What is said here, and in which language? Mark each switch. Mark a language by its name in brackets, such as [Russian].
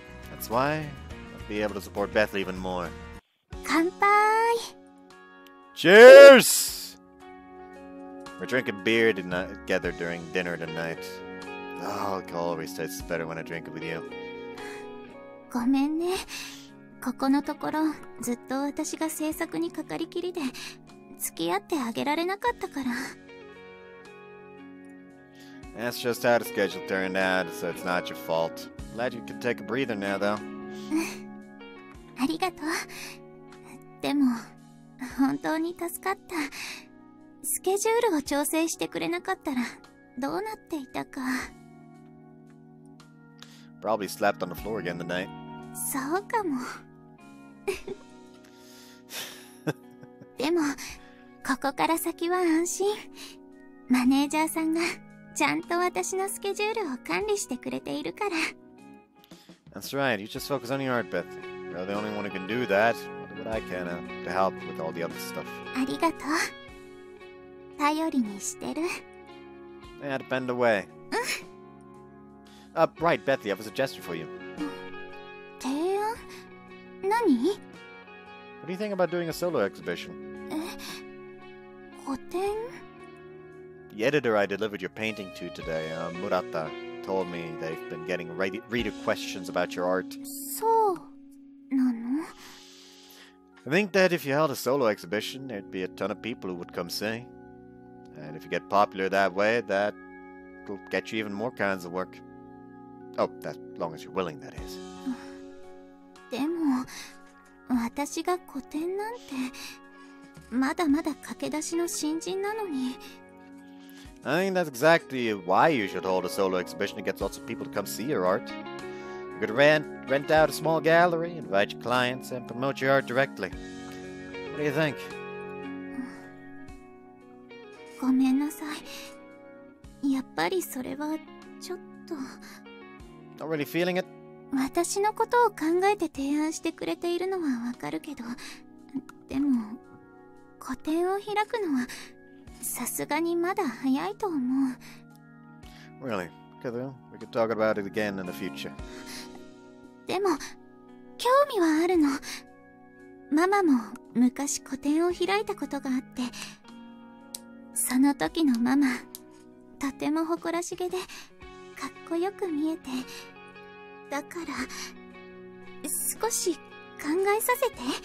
[English] That's why I'll be able to support Bethly even more. [Japanese] 乾杯! [English] Cheers! We're drinking beer together during dinner tonight. Alcohol always tastes better when I drink it with you. [Japanese] ごめんね。ここのところ、ずっと私が制作にかかりきりで、付き合ってあげられなかったから。 [English] That's just how the schedule turned out, so it's not your fault. Glad you can take a breather now, though. [Japanese] ありがとう。でも、本当に助かった。スケジュールを調整してくれなかったら、どうなっていたか。 [English] Probably slapped on the floor again tonight. [Japanese] そうかも。でも、ここから先は安心。マネージャーさんが、ちゃんと私のスケジュールを管理してくれているから。 [English] That's right. You just focus on your art, Beth. You're the only one who can do that. But I can, to help with all the other stuff. [Japanese] ありがとう。頼りにしてる。 [English] Yeah, to bend away. right, Bethly, I have a suggestion for you. [Japanese] 提案?何? [English] What do you think about doing a solo exhibition? [Japanese] 個展? [English] The editor I delivered your painting to today, Murata, told me they've been getting reader questions about your art. [Japanese] そうなの? [English] I think that if you held a solo exhibition, there'd be a ton of people who would come see. And if you get popular that way, that'll get you even more kinds of work. Oh, as long as you're willing, that is. [Japanese] でも、私が個展なんて、まだまだ駆け出しの新人なのに。 [English] I think that's exactly why you should hold a solo exhibition to get lots of people to come see your art. You could rent out a small gallery, invite your clients, and promote your art directly. What do you think? [Japanese] ごめんなさい。やっぱりそれはちょっと… [English] Not really feeling it? [Japanese] 私のことを考えて提案してくれているのはわかるけど、でも、個展を開くのはさすがにまだ早いと思う。 [English] Really, Kevin? We could talk about it again in the future. [Japanese] でも興味はあるの。ママも昔個展を開いたことがあって、その時のママとても誇らしげでかっこよく見えて、だから少し考えさせて。